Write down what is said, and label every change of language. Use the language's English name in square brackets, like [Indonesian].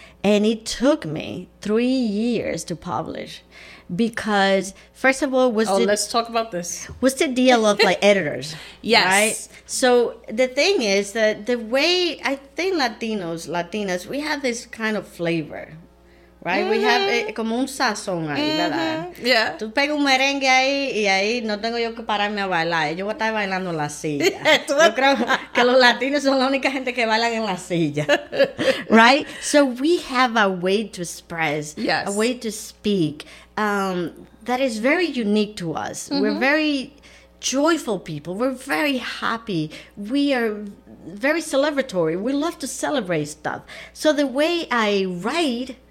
[English] And it took me 3 years to publish because, first of all, let's talk about this. What's the deal of like editors? Yes. Right? So the thing is that the way I think Latinos, Latinas, we have this kind of flavor, right? [Spanish] Mm-hmm. [English] We have [Spanish] como un sazón ahí, ¿verdad? [English] Yeah. [Spanish] Tú pegas un merengue ahí y ahí no tengo yo que pararme a bailar. Yo voy a estar bailando en la silla. Yo creo que los latinos son la única gente que bailan en la silla. [English] Right? So we have a way to express, yes, a way to speak that is very unique to us. Mm-hmm. We're very joyful people. We're very happy. We are very celebratory. We love to celebrate stuff. So the way I write,